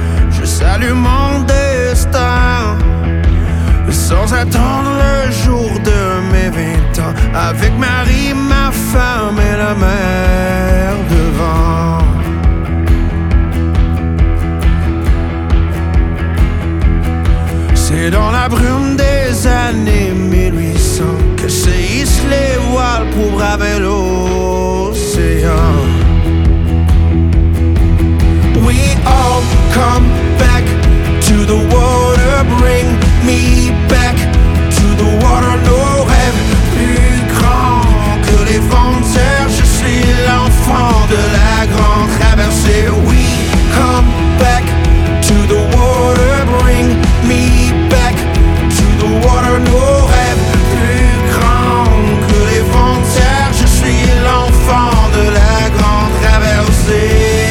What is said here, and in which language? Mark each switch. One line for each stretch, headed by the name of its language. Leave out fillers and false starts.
French: Je salue mon destin sans attendre le jour de mes 20 ans, avec Marie, ma femme et la mer devant. C'est dans la brume des années 1800 que s'hissent les voiles pour braver l'océan.
English: We all come back to the water, bring me back to the water.
French: Nos rêves plus grands que les vents de terre, je suis l'enfant de la grande traversée.
English: We come back to the water, bring me back to the water.
French: Nos rêves plus grands que les vents de terre, je suis l'enfant de la grande traversée.